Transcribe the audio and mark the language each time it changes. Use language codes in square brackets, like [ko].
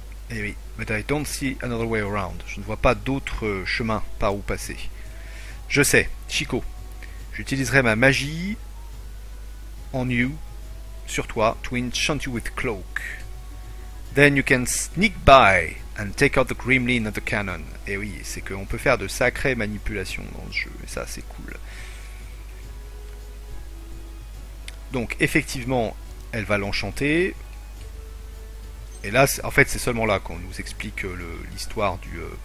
[fr] Eh oui, [en] but I don't see another way around. [fr] Je ne vois pas d'autre chemin par où passer. Je sais, Chico. J'utiliserai ma magie [en] on you, [fr] sur toi, [en] to enchant you with cloak. Then you can sneak by and take out the gremlin and the cannon. [fr] Eh oui, c'est qu'on peut faire de sacrées manipulations dans ce jeu, et ça c'est cool. Donc effectivement, elle va l'enchanter. Et là, en fait, c'est seulement là qu'on nous explique l'histoire du...